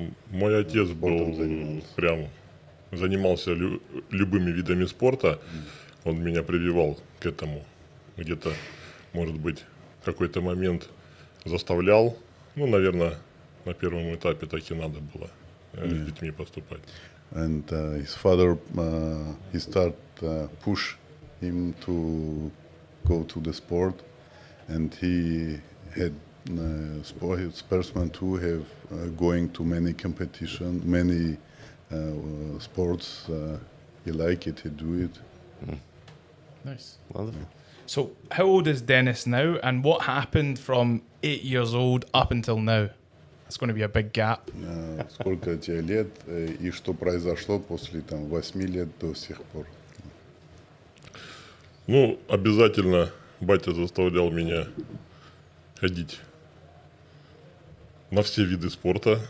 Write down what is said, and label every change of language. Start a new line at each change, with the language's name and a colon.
Russian: Мой отец был прям занимался любыми видами спорта. Он меня прививал к этому, где-то, может быть, какой-то момент заставлял. Ну, наверное, на первом этапе так и надо было.
English: And his father, he started push him to go to the sport, and he had sport, his person too have going to many competition, many sports. He like it, he do it. Mm. Nice. Wonderful. Yeah. So how old is Denis now, and what happened from 8 years old up until now? It's going to be a big gap.
Russian: Сколько тебе лет и что произошло после там 8 лет до сих пор? Ну, обязательно батя заставлял меня ходить на все виды спорта.